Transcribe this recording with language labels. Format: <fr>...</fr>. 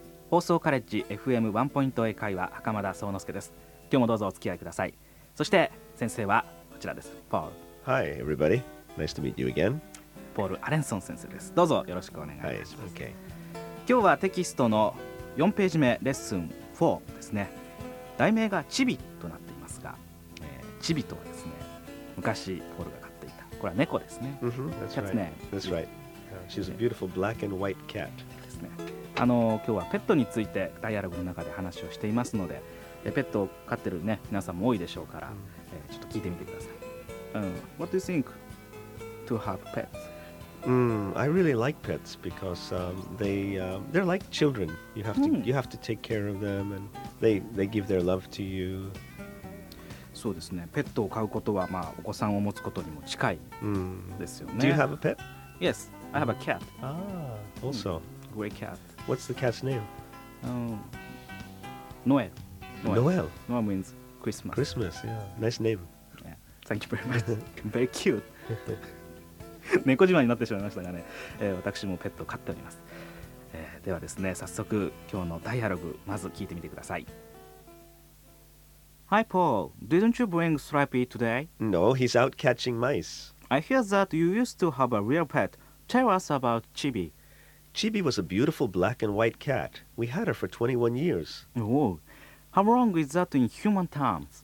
<ja>放送カレッジ FM ワンポイント英会話、袴田宗之助です。今日もどうぞお付き合いください。そして先生はこちらです、ポール。</ja> <en>Hi everybody, nice to meet you again.</en> <ja>ポール・アレンソン先生です。どうぞよろしくお願いします。はい、okay. 今日はテキストの4ページ目、レッスン4ですね。題名がチビとなっていますが、チビとはですね、昔ポールが飼っていた、これは猫ですね。</ja> <en>That's right. She's a beautiful black and white cat.</en> <ja>ですね。今日はペットについてダイアログの中で話をしていますので、ペットを飼ってるね、皆さんも多いでしょうから、ちょっと聞いてみてください。</ja> <en>What do you think to have pets? I really like pets because they're like children. You have to take care of them and they give their love to you.</en> <ja>そうですね。ペットを飼うことは、まあ、お子さんを持つことにも近いですよね。</ja> <en>Do you have a pet? Yes, I have a cat. Ah, also. Great cat. What's the cat's name? Noel. Noel. Noel means Christmas. Christmas, yeah. Nice name. Yeah. Thank you very much. Very cute.</en> <ja>猫自慢になってしまいましたがね、私もペットを飼っております。ではですね、早速今日のダイアログまず聞いてみてください。</ja> <en>Hi Paul, didn't you bring Stripey today? No, he's out catching mice. I hear that you used to have a real pet. Tell us about Chibi. Chibi was a beautiful black and white cat. We had her for 21 years. Oh, how long is that in human terms?</en>